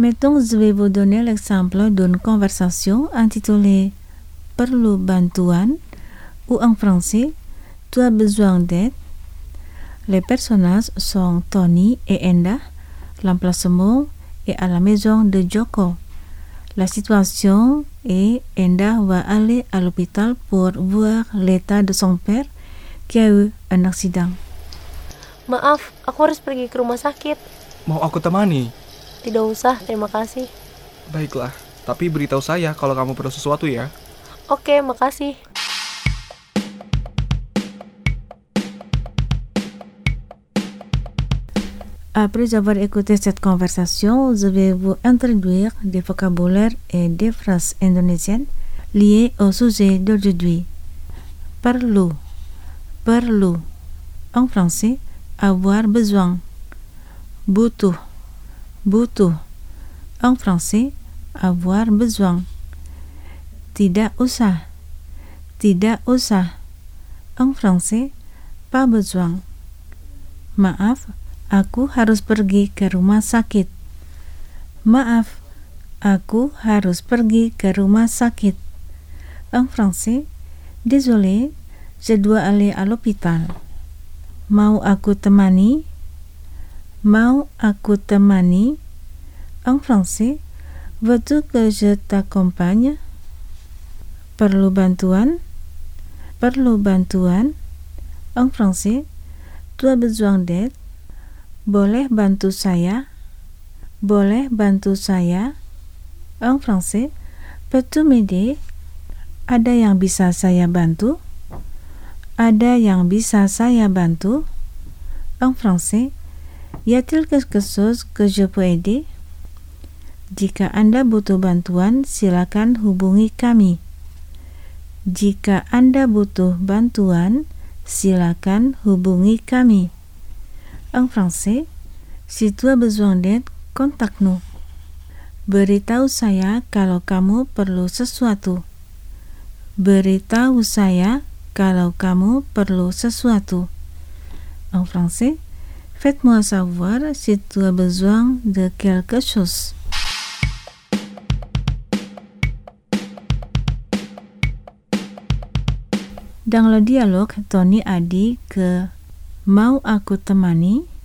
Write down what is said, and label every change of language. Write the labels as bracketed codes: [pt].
[fr] Mettons, je vais vous donner l'exemple d'une conversation intitulée « [id] Perlu bantuan [fr] » ou en français « Tu as besoin d'aide ». Les personnages sont Tony et Enda. L'emplacement est à la maison de Joko. La situation est Enda va aller à l'hôpital pour voir l'état de son père qui a eu un accident. [id] Maaf, aku harus pergi ke rumah sakit. Mau aku temani? Tidak usah, terima kasih. Baiklah, tapi beritahu saya kalau kamu perlu sesuatu ya. Oke, makasih. [fr] Après avoir écouté cette conversation, je vais vous introduire des vocabulaires et des phrases indonésiennes liées au sujet d'aujourd'hui. [id] Perlu, perlu, [fr] en français, avoir besoin. [id] Butuh, butuh, [fr] en français, avoir besoin. [id] Tidak usah, [fr] en français, pas besoin. [id] Maaf. Aku harus pergi ke rumah sakit. Maaf, aku harus pergi ke rumah sakit. [fr] En français, désolé, je dois aller à l'hôpital. [id] Mau aku temani? Mau aku temani? [fr] En français, veux-tu que je t'accompagne? [id] Perlu bantuan? Perlu bantuan? [fr] En français, tu as besoin d'aide? [id] Boleh bantu saya? Boleh bantu saya? [fr] En français, peux-tu m'aider? [id] Ada yang bisa saya bantu? Ada yang bisa saya bantu? [fr] En français, y a-t-il quelque chose que je peux aider? [id] Jika Anda butuh bantuan, silakan hubungi kami. Jika Anda butuh bantuan, silakan hubungi kami. [fr] En français, si tu as besoin d'aide, contacte-nous. [id] Beritahu saya kalau kamu perlu sesuatu. Beritahu saya kalau kamu perlu sesuatu. [fr] En français, faites-moi savoir si tu as besoin de quelque chose. Dans le dialogue, Tony a dit que [id] mau aku temani.